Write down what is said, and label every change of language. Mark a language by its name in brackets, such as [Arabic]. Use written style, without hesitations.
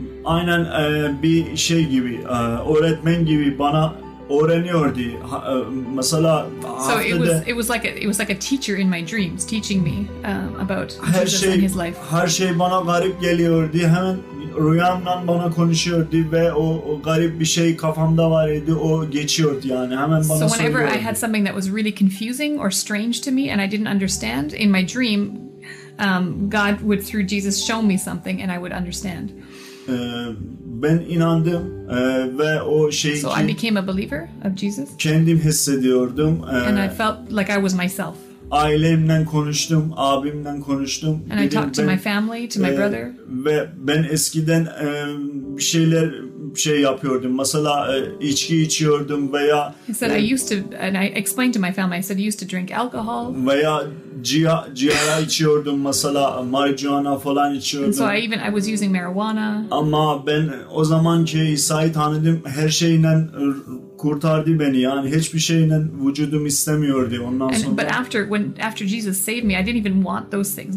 [Turkish] Aynen bir şey gibi, öğretmen gibi bana öğreniyordu. Mesela [English] so it was like a teacher in my dreams teaching me about her Jesus [Turkish] şey, [English] and his life. [Turkish] Her şey bana garip geliyordu. Hemen rüyamdan bana konuşuyordu ve o garip bir şey kafamda var idi. O geçiyordu yani. Hemen bana söylüyordu. [English] So whenever I had something that was really confusing or strange to me and I didn't understand in my dream, God would through Jesus show me something and I would understand. [Turkish] Ben inandım ve o şey [English] so [Turkish] ki, [English] I became a believer of Jesus. [Turkish] Kendim hissediyordum. [English] And I felt like I was myself. [Turkish] Ailemle konuştum, abimle konuştum. [English] And [Turkish] dedim, [English] I talked to my family, to my brother. [Turkish] Ve ben eskiden bir şeyler şey yapıyordum. Mesela içki içiyordum veya [English] he said I used to, and I explained to my family, I said I used to drink alcohol. [Turkish] Veya cihara içiyordum, mesela marijuana falan içiyordum. [English] And so I was using marijuana. [Turkish] Ama ben o zaman ki İsa'yı tanıdım, her şeyle kurtardı beni. Yani hiçbir şeyle vücudum istemiyordu ondan sonra. [English] But after Jesus saved me, I didn't even want those things.